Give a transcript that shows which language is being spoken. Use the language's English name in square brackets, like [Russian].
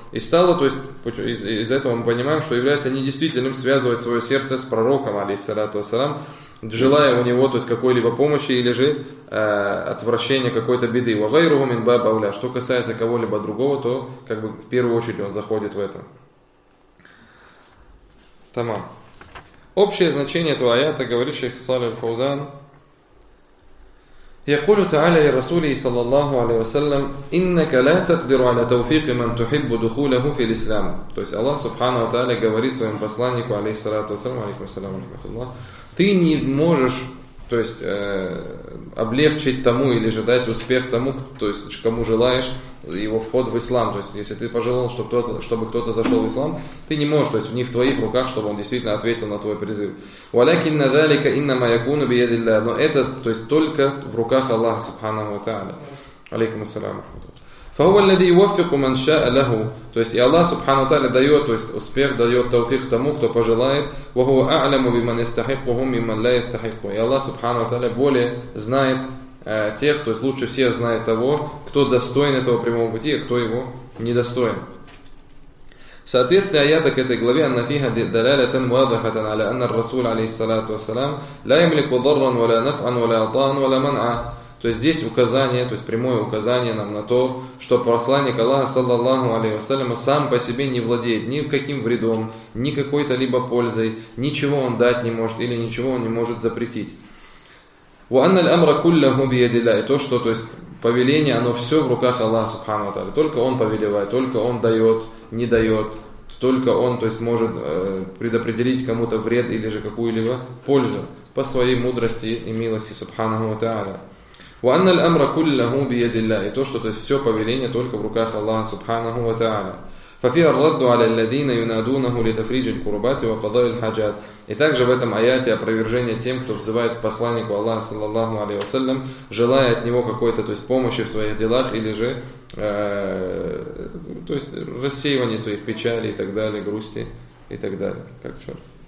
[Russian] И стало, то есть из этого мы понимаем, что является недействительным связывать свое сердце с пророком, алейхиссалату вассалям, желая у него, то есть, какой-либо помощи или же отвращения какой-то беды. [Arabic] وَغَيْرُهُ مِنْ بَابَ أَوْلَى. [Russian] Что касается кого-либо другого, то как бы в первую очередь он заходит в это. Тамам. Общее значение этого аята, говорит шейх Салих аль-Фаузан, [Arabic] يقول تعالى لرسوله صلى الله عليه وسلم إنك لا تقدر على توفيق من تحب دخوله في الإسلام. [Russian] То есть Аллах Субхана ва Тааля говорит своему посланнику алейхиссалату вассалям, алейхи вассалям, алейхи вассалям, ты не можешь, то есть облегчить тому или же дать успех тому, то есть кому желаешь его вход в ислам. То есть если ты пожелал, чтобы кто-то зашел в ислам, ты не можешь, то есть не в твоих руках, чтобы он действительно ответил на твой призыв. [Arabic] ولكن ذلك إنما يكون بيد الله. [Russian] Но это, то есть только в руках Аллаха Субханаху ва Тааля. [Arabic] Алейкум ассалям. فهو الذي يوفق من شاء له. [Russian] То есть и Аллах Субхана ва Тааля дает, то есть успех дает, тауфик тому, кто пожелает. [Arabic] وهو أعلم بمن يستحقه ممن لا يستحقه. [Russian] И Аллах Субхана ва Тааля более знает тех, то есть лучше всех знает того, кто достоин этого прямого пути, а кто его недостоин. Соответственно, аята к этой главе, [Arabic] أن فيها دلالة واضحة على أن الرسول عليه الصلاة والسلام لا يملك ضرا ولا نفعا ولا عطاء ولا منعا. [Russian] То есть здесь указание, то есть прямое указание нам на то, что посланник Аллаха, саллаллаху алейхи ва саллям, сам по себе не владеет никаким вредом, ни какой-то либо пользой, ничего он дать не может или ничего он не может запретить. И то, что, то есть повеление, оно все в руках Аллаха, субхану ва тааля. Только Он повелевает, только Он дает, не дает, только Он, то есть, может предопределить кому-то вред или же какую-либо пользу по своей мудрости и милости, субхану ва тааля. [Arabic] وأن الأمر كله بيد الله. [Russian] И то, что, то есть, все повеление только в руках Аллаха Субханаху ва Тааля. [Arabic] ففيه الرد على الذين ينادونه لتفريج الكربات وقضاء الحاجات. [Russian] И также в этом аяте опровержение тем, кто взывает к посланнику Аллаха саллаллаху алейхи ва саллям, желая от него какой-то, то есть, помощи в своих делах или же то есть рассеивание своих печалей и так далее, грусти и так далее. Как черт.